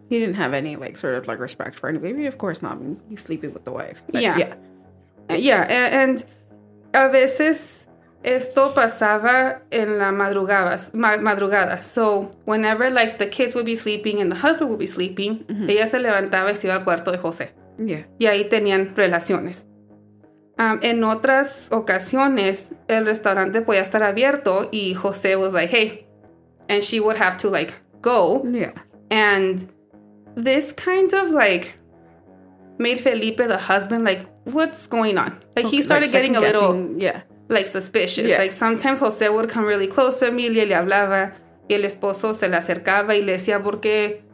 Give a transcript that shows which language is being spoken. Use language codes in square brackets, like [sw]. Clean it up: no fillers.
[en] He didn't have any like sort of like respect for anybody. Of course not. He's sleeping with the wife. But, yeah. Yeah. [es] Yeah, and a veces esto pasaba en la madrugada. [en] So whenever like the kids would be sleeping and the husband would be sleeping, mm-hmm. [es] ella se levantaba y se iba al cuarto de José. [en] Yeah. [es] Y ahí tenían relaciones. En otras ocasiones, el restaurante podía estar abierto y José was like, hey. [en] And she would have to like go. Yeah. And this kind of like made Felipe, the husband, like, what's going on? Like, okay, he started like getting a little, yeah, like, suspicious. Yeah. Like, sometimes José would come really close to Emilia, le hablaba, y el esposo se le acercaba y le decía, ¿por qué?